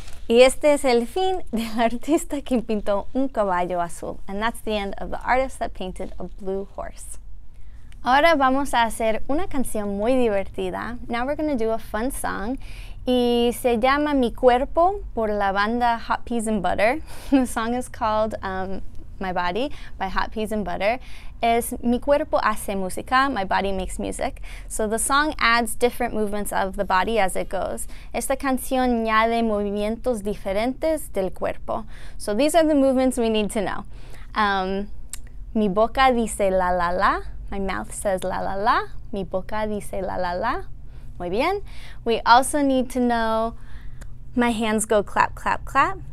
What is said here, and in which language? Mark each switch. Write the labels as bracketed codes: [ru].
[es] Y este es el fin del artista que pintó un caballo azul. [en] And that's the end of the artist that painted a blue horse. [es] Ahora vamos a hacer una canción muy divertida. [en] Now we're going to do a fun song. [es] Y se llama Mi Cuerpo por la banda [en] Hot Peas and Butter. The song is called My Body by Hot Peas and Butter. [es] Es mi cuerpo hace música, [en] my body makes music. So the song adds different movements of the body as it goes. [es] Esta canción añade movimientos diferentes del cuerpo. [en] So these are the movements we need to know. [es] Mi boca dice la la la. [en] My mouth says la la la. [es] Mi boca dice la la la. Muy bien. [en] We also need to know my hands go clap, clap, clap.